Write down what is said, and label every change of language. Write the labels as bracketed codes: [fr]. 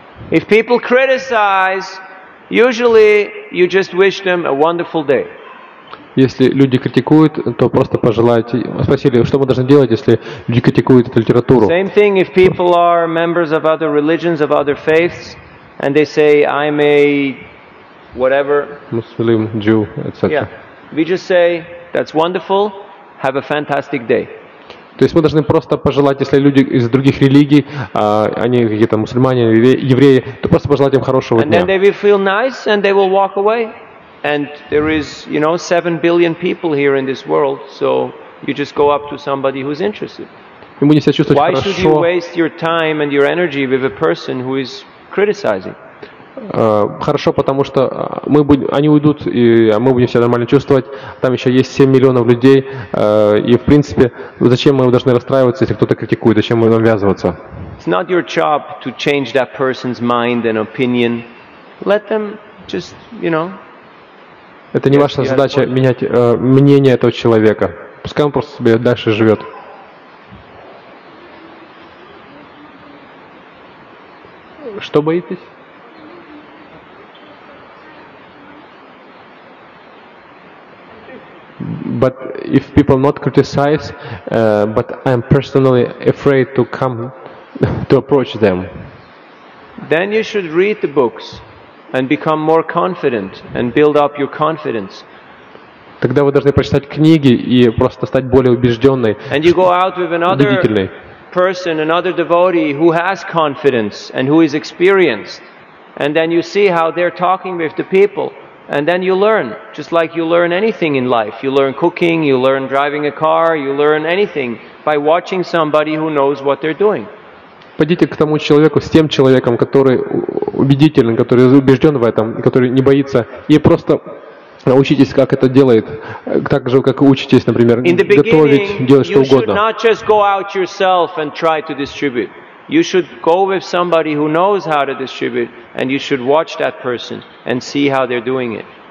[en] If people criticize, usually you just wish them a wonderful day. [ru] Если люди критикуют, то просто пожелайте. Спросили, что мы должны делать, если люди критикуют эту литературу? [en] Same thing if people are members of other religions, of other faiths, and they say I'm a whatever. Muslim, Jew, etc. Yeah. We just say that's wonderful. Have a fantastic day. [ru] То есть мы должны просто пожелать, если люди из других религий, они какие-то мусульмане, евреи, то просто пожелать им хорошего дня. [en] And then they will feel nice and they will walk away. And there is, you know, 7 billion people here in this world, so you just go up to somebody who's interested. [ru] Ему не себя чувствовать хорошо. [en] Why should you waste your time and your energy with a person who is criticizing? [ru] Хорошо, потому что мы будем, они уйдут, и мы будем себя нормально чувствовать. Там еще есть 7 миллионов людей, и в принципе, зачем мы должны расстраиваться, если кто-то критикует, зачем мы ввязываться? [en] It's not your job to change that person's mind and opinion. Let them just, you know. [ru] Это не ваша задача менять мнение этого человека. Пускай он просто себе дальше живет. Что боитесь? [en] But if people not criticize, but I'm personally afraid to come to approach them. Then you should read the books and become more confident and build up your confidence. [ru] Тогда вы должны прочитать книги и просто стать более убежденной. [en] And you go out with another person, another devotee who has confidence and who is experienced, and then you see how they're talking with the people. And then you learn, just like you learn anything in life. You learn cooking, you learn driving a car, you learn anything by watching somebody who knows what they're doing. [ru] Пойдите к тому человеку, с тем человеком, который убедителен, который убежден в этом, который не боится, и просто научитесь, как это делает, так же, как учитесь, например, готовить, делать что угодно. [en] You should not just go out yourself and try to distribute. You should go with somebody who knows how to distribute, and you should watch that person and see how they're doing it.